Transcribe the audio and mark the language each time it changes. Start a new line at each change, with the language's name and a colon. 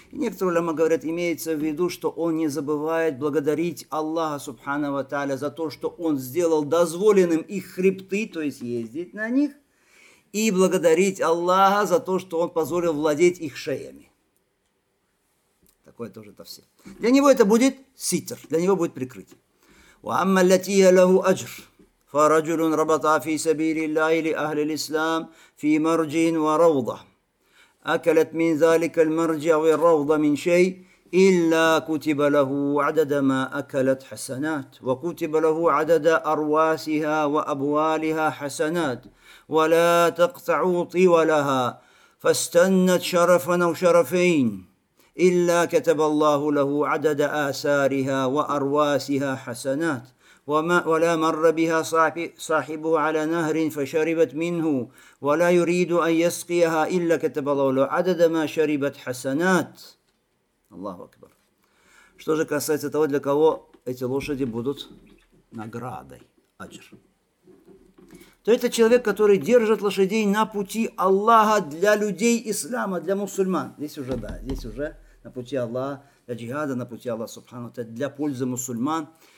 Russian: И некоторые уляма говорят, имеется в виду, что он не забывает благодарить Аллаха Субхана ва Та'аля за то, что он сделал дозволенным их хребты, то есть ездить на них, и благодарить Аллаха за то, что он позволил владеть их шеями. Такое тоже тафсир. Для него это будет ситр, для него будет прикрытие.
Arabic: وَأَمَّا الَّتِيَ لَهُ أَجْرٌ فَرَجُلٌ رَبَطَ فِي سَبِيلِ اللَّهِ لِأَهْلِ الْإِسْلَامِ فِي مَرْجٍ وَرَوْضَةٍ أَكَلَتْ مِنْ ذَلِكَ الْمَرْجِ أَوْ الرَّوْضَةِ مِنْ شَيْءٍ إِلَّا كُتِبَ لَهُ عَدَدَ مَا أَكَلَتْ حَسَنَاتٍ وَكُتِبَ لَهُ عَدَدَ أَرْوَاسِهَا وَأَبْوَالِهَا حَسَنَاتٍ وَلَا تَقْطَعُ طِوَلَهَا فَاسْتَنَّتْ شَرَفًا أَوْ شَرَفَيْنِ إلا كتب الله له عدد آثارها وأرواسها حسنات وما ولا مر بها صاحبه على نهر فشربت منه ولا يريد أن يسقيها إلا كتب الله له عدد ما شربت حسنات. الله أكبر.
Russian: Что же касается того, для кого эти лошади будут наградой, аджр. то это человек, который держит лошадей на пути Аллаха для людей ислама, для мусульман. Здесь уже, да, здесь уже на пути Аллаха, для джихада, на пути Аллаха, субхану тааля, для пользы мусульман.